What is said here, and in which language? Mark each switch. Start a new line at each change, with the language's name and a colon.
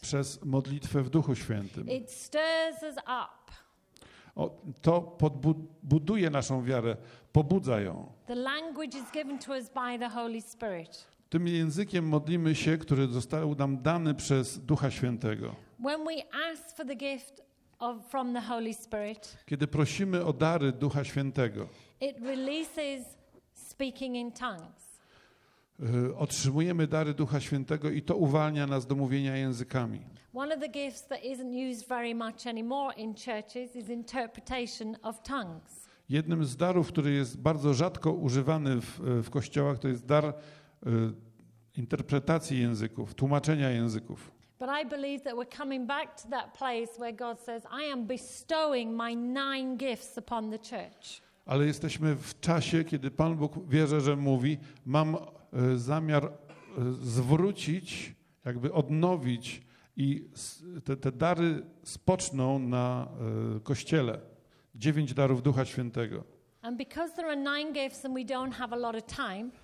Polish: Przez modlitwę w Duchu Świętym.
English: It stirs us up.
Polish: To buduje naszą wiarę, pobudza ją.
English: The language is given to us by the Holy Spirit.
Polish: Tym językiem modlimy się, który został nam dany przez Ducha Świętego.
English: When we ask for the gift from the Holy Spirit,
Polish: kiedy prosimy o dary Ducha Świętego,
English: it releases speaking in tongues.
Polish: Otrzymujemy dary Ducha Świętego i to uwalnia nas do mówienia językami.
English: One of the gifts that isn't used very much anymore in churches is interpretation of tongues.
Polish: Jednym z darów, który jest bardzo rzadko używany w kościołach, to jest dar interpretacji języków, tłumaczenia języków.
English: But I believe that we're coming back to that place where God says, I am bestowing my 9 gifts upon the church.
Polish: Ale jesteśmy w czasie, kiedy Pan Bóg, wierzę, że mówi, mam zamiar zwrócić, jakby odnowić i te dary spoczną na Kościele. 9 darów Ducha Świętego.
English: And because there are 9 gifts and we don't have a lot of time,